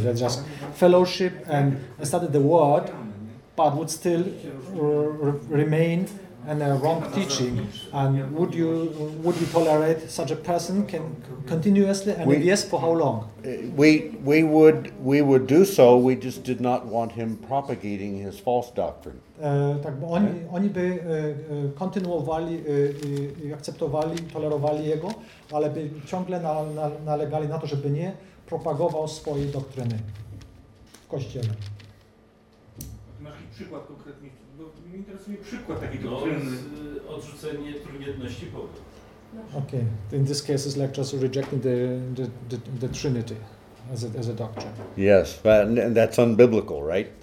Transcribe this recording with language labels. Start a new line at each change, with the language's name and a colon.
English: That's just fellowship and studied the word, but would still remain in a wrong teaching. And would you tolerate such a person continuously? And if yes, for how long? We would do so. We just did not want him propagating his false doctrine.
Polish: Tak, bo oni by kontynuowali, akceptowali, tolerowali jego, ale by ciągle nalegali na to, żeby nie propagował swojej doktryny w Kościele. Masz jakiś przykład konkretny? Bo mnie interesuje przykład takiej doktryny. Odrzucenie trójjedności Boga. Okej, okay.
English: In this case it's like just rejecting the Trinity. As a doctrine. Yes, and that's unbiblical, right?